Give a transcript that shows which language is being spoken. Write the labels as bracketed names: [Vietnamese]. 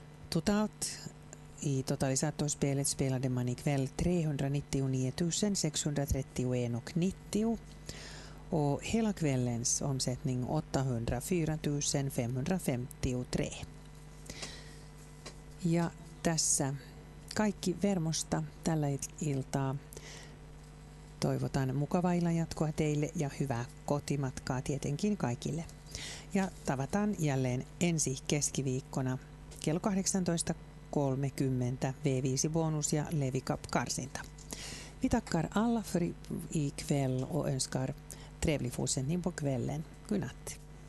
[Swedish] Totalt i totalisatorspelet spelade man ikväll 399.631,90 €. Och hela kvällens omsättning 804 553. [Finnish] Ja tässä kaikki Vermosta tällä iltaa. Toivotan mukavaa illan jatkoa teille ja hyvää kotimatkaa tietenkin kaikille. Ja tavataan jälleen ensi keskiviikkona kello 18.30 V5 bonus ja Levy Cup karsinta. [Swedish] Vi tackar alla för ikväll och önskar trevlig fortsättning på kvällen. Godnatt.